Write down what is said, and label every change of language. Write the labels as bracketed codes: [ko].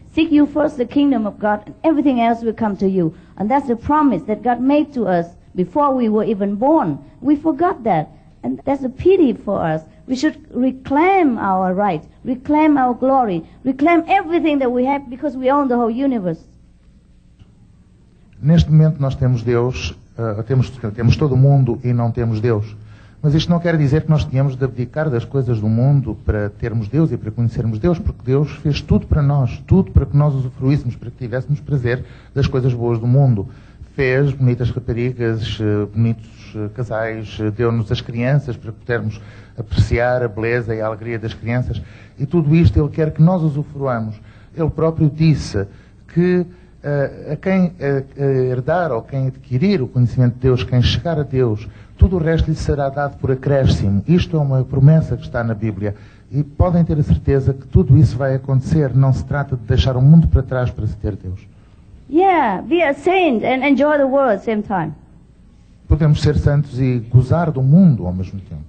[en] Seek you first the kingdom of God, and everything else will come to you. And that's the promise that God made to us before we were even born. We forgot that. And that's a pity for us. We should reclaim our right, reclaim our glory, reclaim everything that we have because we own the whole universe. [pt] Neste momento nós temos Deus, temos todo o mundo e não temos Deus. Mas isto não quer dizer que nós tenhamos de abdicar das coisas do mundo para termos Deus e para conhecermos Deus, porque Deus fez tudo para nós, tudo para que nós usufruíssemos, para que tivéssemos prazer das coisas boas do mundo. Fez bonitas raparigas, bonitos casais, deu-nos as crianças para podermos apreciar a beleza e a alegria das crianças. E tudo isto Ele quer que nós usufruamos. Ele próprio disse que a quem herdar ou quem adquirir o conhecimento de Deus, quem chegar a Deus, tudo o resto lhe será dado por acréscimo. Isto é uma promessa que está na Bíblia. E podem ter a certeza que tudo isso vai acontecer. Não se trata de deixar o mundo para trás para se ter Deus. [en] Yeah, be a saint and enjoy the world at the same time. [pt] Podemos ser santos e gozar do mundo ao mesmo tempo.